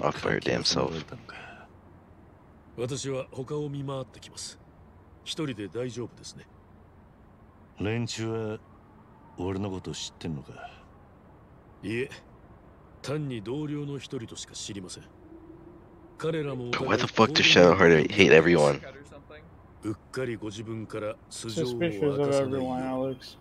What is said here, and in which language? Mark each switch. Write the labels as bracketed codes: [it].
[en] Off by your damn self. [ja] 私は他を見回ってきます。一人で大丈夫ですね。連中は俺のこと知ってんのか。いえ、単に同僚の一人としか知りません。彼らも [en] Why the fuck does shadow heart hate everyone? [ja] うっかりご自分から素性を明かさないように。